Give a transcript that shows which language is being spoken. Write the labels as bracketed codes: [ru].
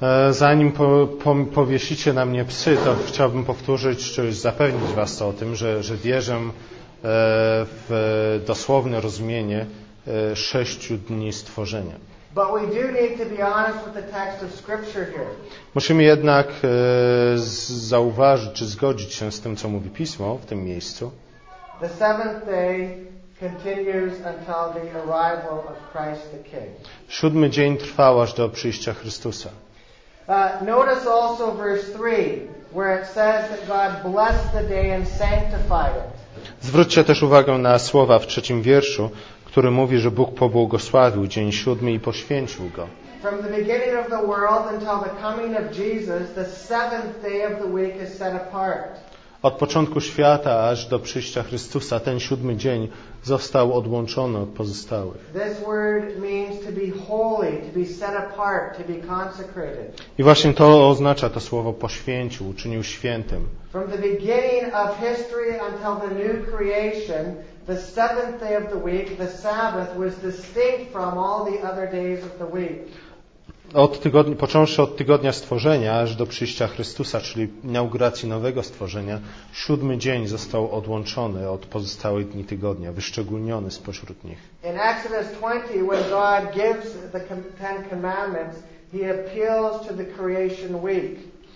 [pl] Zanim powiesicie na mnie psy, to chciałbym powtórzyć, czy już zapewnić was o tym, że wierzę w dosłowne rozumienie sześciu dni stworzenia. [en] But we do need to be honest with the text of scripture here. [pl] Musimy jednak zauważyć, czy zgodzić się z tym, co mówi Pismo w tym miejscu. [en] The seventh day continues until the arrival of Christ the King. [pl] Siódmy dzień trwał aż do przyjścia Chrystusa. [en] Notice also verse 3, where it says that God blessed the day and sanctified it. [pl] Zwróćcie też uwagę na słowa w trzecim wierszu, który mówi, że Bóg pobłogosławił dzień siódmy i poświęcił go. [en] From the beginning of the world until the coming of Jesus, the seventh day of the week is set apart. [pl] Od początku świata aż do przyjścia Chrystusa ten siódmy dzień został odłączony od pozostałych. [en] This word means to be holy, to be set apart, to be consecrated. [pl] I właśnie to oznacza to słowo poświęcił, uczynił świętym. [en] From the beginning of history until the new creation, the seventh day of the week, the Sabbath, was distinct from all the other days of the week. [pl] Począwszy od tygodnia stworzenia aż do przyjścia Chrystusa, czyli inauguracji nowego stworzenia, siódmy dzień został odłączony od pozostałych dni tygodnia, wyszczególniony spośród nich. [en] In Exodus 20, when God gives the Ten Commandments, he appeals to the creation week.